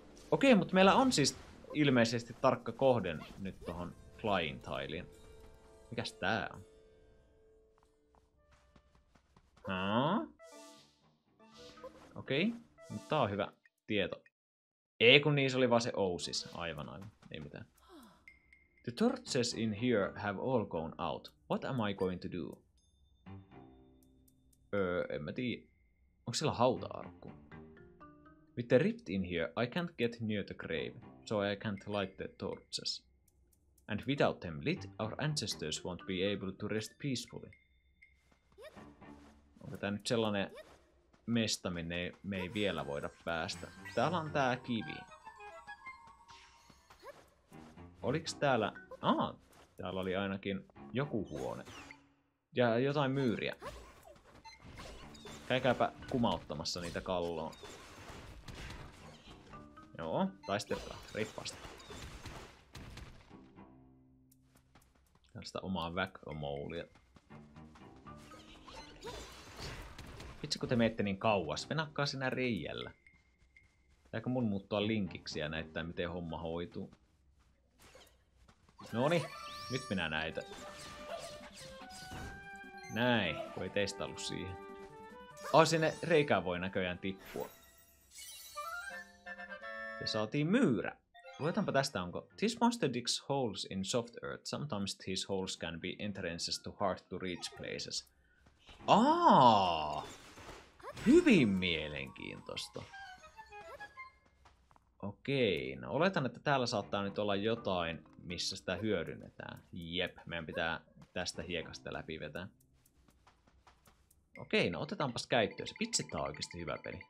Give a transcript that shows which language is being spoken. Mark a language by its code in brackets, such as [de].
[fi] Okei, mutta meillä on siis ilmeisesti tarkka kohde nyt tohon Flying Tileen. Mikäs tää on? Haa? Okei, mutta tää on hyvä tieto. Ei kun niissä oli vaan se Oasis. Aivan, ei mitään. [en] The torches in here have all gone out. What am I going to do? [fi] En mä tiedä. Onko siellä hauta-arkku? [en] With the rift in here, I can't get near the grave, so I can't light the torches. And without them lit, our ancestors won't be able to rest peacefully. [fi] Onko tää nyt sellainen mesta, minne me ei vielä voida päästä? Täällä on tää kivi. Oliks täällä... Aa, täällä oli ainakin joku huone. Ja jotain myyriä. Käykääpä kumauttamassa niitä kalloon. Joo, taistelkaa, rippaasti. Tällaista omaa whack-a-molea. Itse kun te meette niin kauas, venakkaa sinä reijällä. Pitääkö mun muuttua linkiksi ja näyttää, miten homma hoituu? Noni, nyt minä näitä. Näin, kun ei teistä ollut siihen. Oh, sinne reikään voi näköjään tippua. Ja saatiin myyrä. Luetaanpa tästä, onko... [en] This monster digs holes in soft earth. Sometimes these holes can be entrances to hard to reach places. Aaaa! [fi] Hyvin mielenkiintoista. Okei, no oletan, että täällä saattaa nyt olla jotain, missä sitä hyödynnetään. Jep, meidän pitää tästä hiekasta läpi vetää. Okei, no otetaanpas käyttöön. Se vitsi, tää on oikeesti hyvä peli.